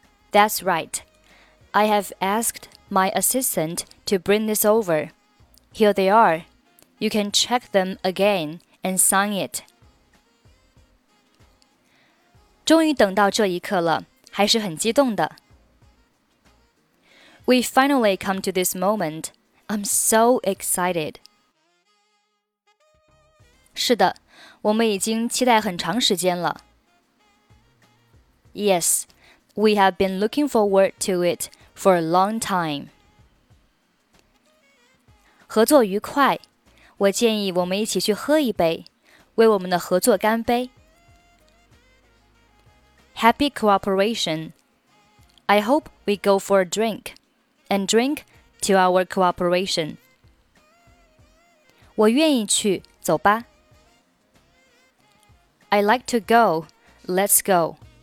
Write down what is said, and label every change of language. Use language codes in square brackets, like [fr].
[en] That's right. I have asked my assistant to bring this over. Here they are. You can check them again and sign it. [zh] 终于等到这一刻了，还是很激动的。 [en] We finally come to this moment. I'm so excited. [zh] 是的，我们已经期待很长时间了。 [en] Yes, we have been looking forward to it for a long time. [zh] 合作愉快，我建议我们一起去喝一杯，为我们的合作干杯。 [en] Happy cooperation. I hope we go for a drink and drink to our cooperation. [zh] 我愿意去，走吧。 [en] I'd like to go. Let's go.